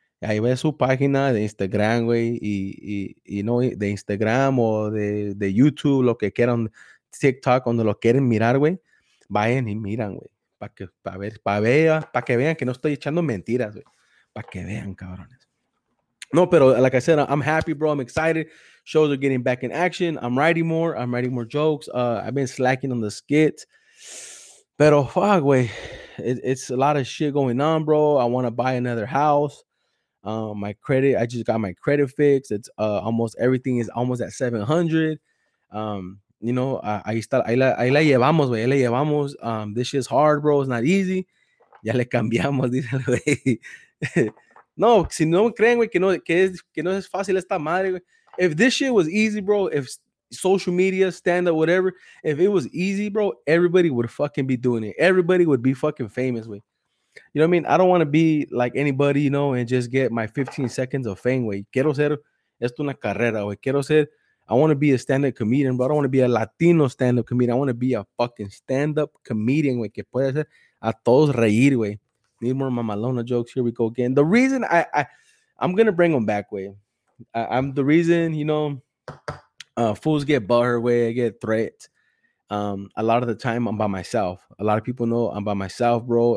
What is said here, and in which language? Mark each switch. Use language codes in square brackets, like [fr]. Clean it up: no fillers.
[es] Ahí ve su página de Instagram, güey, y no de Instagram o de YouTube, lo que quieran, TikTok, cuando lo quieren mirar, güey, vayan y miran, güey, para que vean que no estoy echando mentiras, güey, para que vean, cabrones. [en] No, pero like I said, I'm happy, bro, I'm excited. Shows are getting back in action. I'm writing more jokes. I've been slacking on the skits, pero fuck, güey, it's a lot of shit going on, bro. I want to buy another house. My credit, I just got my credit fixed. It's almost everything is almost at 700. You know, ahí la llevamos, güey. Ahí la llevamos. This shit's hard, bro. It's not easy. [es] Ya le cambiamos, dice el güey. No, si no creen, güey, que no es fácil esta madre, güey. [en] If this shit was easy, bro, if social media, stand up, whatever, if it was easy, bro, everybody would fucking be doing it. Everybody would be fucking famous, güey. You know what I mean? I don't want to be like anybody, you know, and just get my 15 seconds of fame, güey. Quiero ser, esto una carrera, güey. Quiero ser, I want to be a stand-up comedian, but I don't want to be a Latino stand-up comedian. I want to be a fucking stand-up comedian, güey, que puede hacer a todos reír, güey. Need more mamalona jokes. Here we go again. The reason I'm going to bring them back, güey. I'm the reason, you know, fools get butthurt, güey. I get threats. A lot of the time I'm by myself. A lot of people know I'm by myself, bro.